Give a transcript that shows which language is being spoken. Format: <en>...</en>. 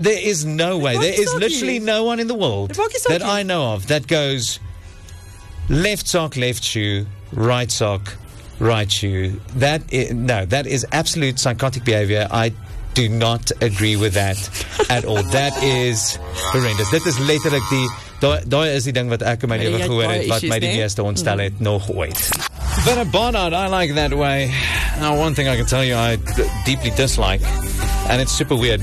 <en>There is no way. There is literally no one in the world that I know of that goes, left sock, left shoe, right sock, right shoe. That is, no, that is absolute psychotic behavior. I do not agree with that at all. That is horrendous.</en> <af>Dit is letterlik die, daai is die ding wat ek in my lewe gehoor het, wat my die meeste ontstel het, nog ooit.</af> <en>Vera Barnard, I like that way. Now, one thing I can tell you I deeply dislike, and it's super weird.</en>